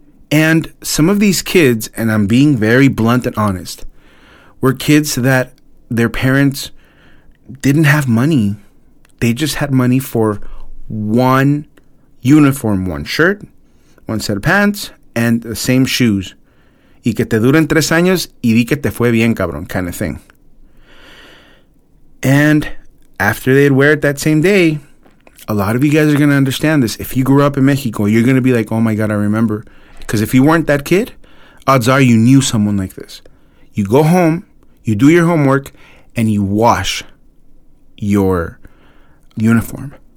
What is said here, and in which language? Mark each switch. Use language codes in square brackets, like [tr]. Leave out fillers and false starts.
[en] And some of these kids, and I'm being very blunt and honest, were kids that their parents didn't have money. They just had money for one uniform, one shirt, one set of pants, and the same shoes. [es] Y que te duren tres años y di que te fue bien, cabrón, [en] kind of thing. And after they'd wear it that same day, a lot of you guys are going to understand this. If you grew up in Mexico, you're going to be like, oh my God, I remember. Because if you weren't that kid, odds are you knew someone like this. You go home, you do your homework, and you wash your uniform.